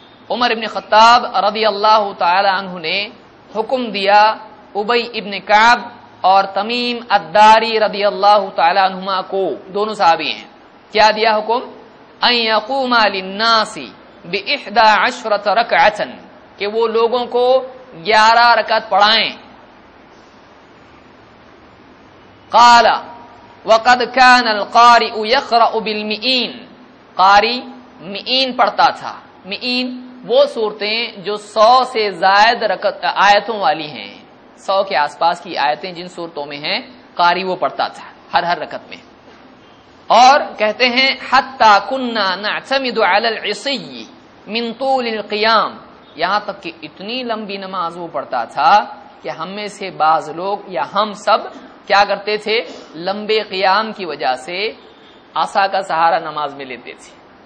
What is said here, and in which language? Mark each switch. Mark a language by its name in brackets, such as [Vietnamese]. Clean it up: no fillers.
[Urdu] عمر ابن خطاب رضی اللہ تعالی عنہ نے حکم دیا ابی ابن کعب اور تمیم الداری رضی اللہ تعالی عنہما کو, دونوں صحابی ہیں, کیا دیا حکم؟ [Arabic] ان یقوما للناس بإحدى عشرة رکعة, [Urdu] کہ وہ لوگوں کو 11 رکعت پڑھائیں. [Arabic] قال وقد كان القارئ يقرأ بالمئين, [Urdu] قاری مئین پڑھتا تھا. مئین وہ صورتیں جو 100 سے زائد رکعت آیتوں والی ہیں, 100 کے آس پاس کی آیتیں جن صورتوں میں ہیں قاری وہ پڑھتا تھا ہر رکعت میں. اور کہتے ہیں [Arabic] حتی کنا نعتمد علی العصی من طول القیام, [Urdu] یہاں تک کہ اتنی لمبی نماز وہ پڑھتا تھا کہ ہم میں سے بعض لوگ یا ہم سب کیا کرتے تھے, لمبے قیام کی وجہ سے عصا کا سہارا نماز میں لیتے تھے.